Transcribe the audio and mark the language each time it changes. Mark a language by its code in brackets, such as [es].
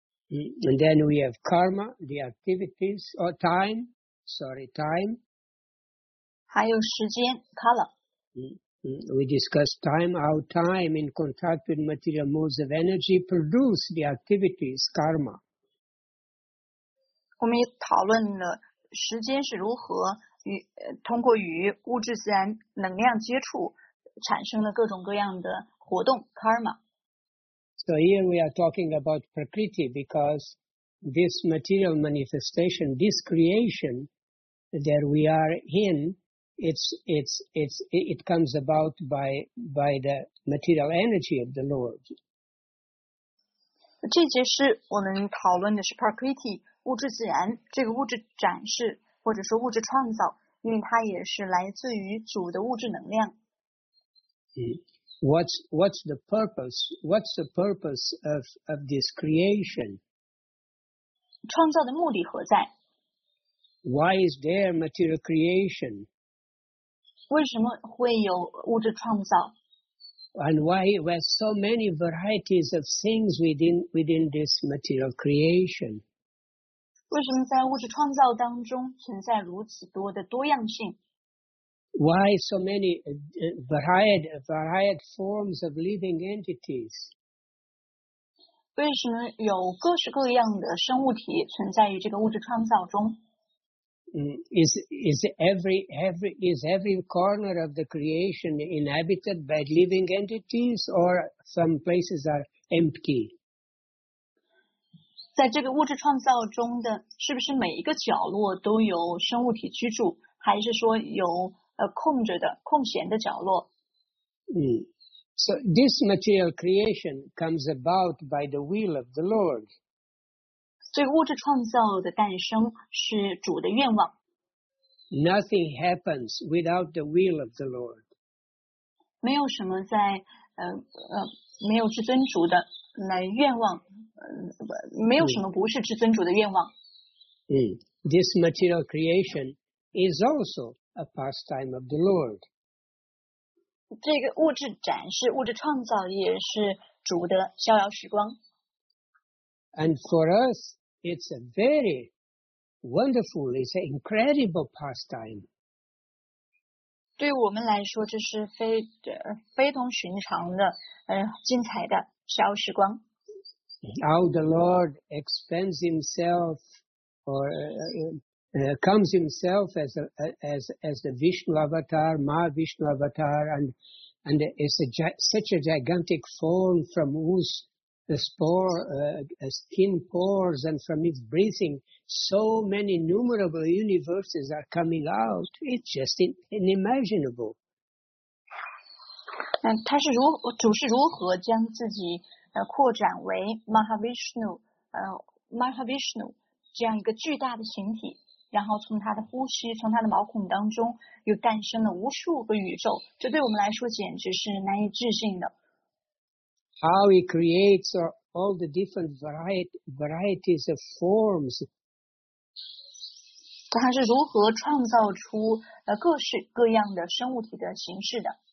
[en] And then we have karma, the activities, or time. time. [zh] 还有时间 kala. [en] We discussed time, how time in contact with material modes of energy produce the activities, karma. [zh] 我们也讨论了时间是如何通过与物质自然能量接触产生了各种各样的活动 karma. [en] So here we are talking about prakriti because this material manifestation, this creation,that we are in, it comes about by the material energy of the Lord. [zh] 这节是我们讨论的是 prakriti, 物质自然，这个物质展示或者说物质创造，因为它也是来自于主的物质能量。 [en] What's the purpose? What's the purpose of this creation? [zh] 创造的目的何在？ [en] Why is there material creation? [zh] 为什么会有物质创造? [en] And why were so many varieties of things within this material creation? [zh] 为什么在物质创造当中存在如此多的多样性? [en] Why so many varied forms of living entities? [zh] 为什么有各式各样的生物体存在于这个物质创造中? [en] Is every corner of the creation inhabited by living entities, or some places are empty? [zh] 在这个物质创造中的，是不是每一个角落都有生物体居住，还是说有空着的、空闲的角落？ [en] So this material creation comes about by the will of the Lord. [zh] 这个物质创造的诞生是主的愿望。 [en] Nothing happens without the will of the Lord. [zh] 没有什么在没有至尊主的来愿望，没有什么不是至尊主的愿望。 [en] This material creation is also a pastime of the Lord. [zh] 这个物质展示、物质创造也是主的逍遥时光。 [en] And for us. It's a very wonderful, it's an incredible pastime. [zh] 对我们来说这是非同寻常的精彩的逍遥时光。 [en] How the Lord expands himself comes himself as the Vishnu avatar, Ma Vishnu avatar, and it's such a gigantic form from whose... The spore, skin pores, and from its breathing, so many innumerable universes are coming out. It's just unimaginable. [zh] 他是如主是如何将自己扩展为 Mahavishnu 这样一个巨大的形体，然后从他的呼吸，从他的毛孔当中又诞生了无数个宇宙，这对我们来说简直是难以置信的。 [en] How he creates all the different varieties of forms. [zh] 他是如何创造出各式各样的生物体的形式的?